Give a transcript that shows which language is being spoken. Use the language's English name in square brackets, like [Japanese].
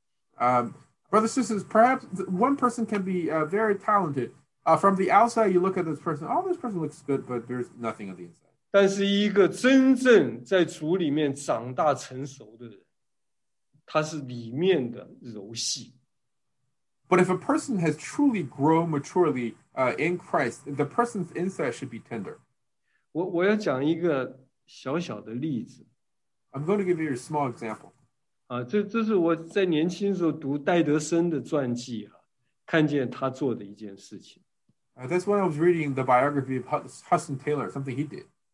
[Chinese] 弟兄姊妹，有的人很有才华，但是你一看就是一个外表很光鲜，但是里面没什么东西的人。 [English] Brothers and sisters, perhaps one person can be very talented. From the outside, you look at this person, oh, this person looks good, but there's nothing on the inside. [Chinese] 但是一个真正在主里面长大成熟的人,他是里面的柔细。 [English] But if a person has truly grown maturely in Christ, the person's inside should be tender. [Chinese] 我要讲一个小小的例子。 [English] I'm going to give you a small example. [Chinese] 这是我在年轻时候读戴德森的传记,看见他做的一件事情。 [English] That's when I was reading the biography of Hudson Taylor, something he did.